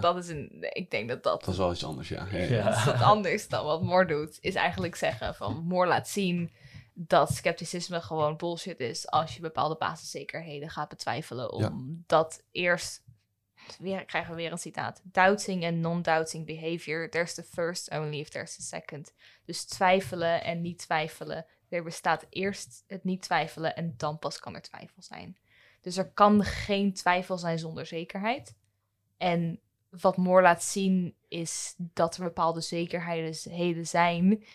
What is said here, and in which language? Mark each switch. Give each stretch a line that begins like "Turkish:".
Dutch: Dat is een. Ik denk dat dat. Dat is wel iets anders, ja. Dat is anders dan wat Moore doet. Is eigenlijk zeggen van. Moore laat zien dat scepticisme gewoon bullshit is. Als je bepaalde basiszekerheden gaat betwijfelen. Omdat eerst. Weer, krijgen we weer een citaat.
English: Doubting and non-doubting behavior. There's the first only if there's the second.
Dutch: Dus twijfelen en niet twijfelen. Er bestaat eerst het niet twijfelen en dan pas kan er twijfel zijn. Dus er kan geen twijfel zijn zonder zekerheid. En wat Moore laat zien is dat er bepaalde zekerheden zijn...